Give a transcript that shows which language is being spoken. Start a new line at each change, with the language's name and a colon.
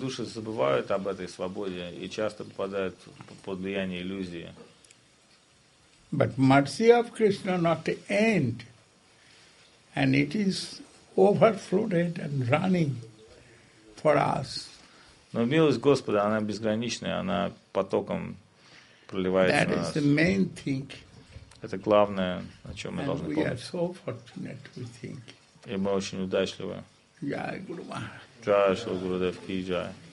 Russian: души забывают об этой свободе и часто попадают под влияние иллюзии.
English: But mercy of Krishna not end, and it is overflowed and running for us.
Russian: Но милость Господа, она безграничная, она потоком проливается на нас.
English: That is the main thing.
Russian: Это главное, о чем мы
English: and
Russian: должны
English: we
Russian: помнить.
English: Are so fortunate, we think.
Russian: И мы очень удачливы. Джай Гуру Махарадж. Джай Шри Гурудев Ки Джай.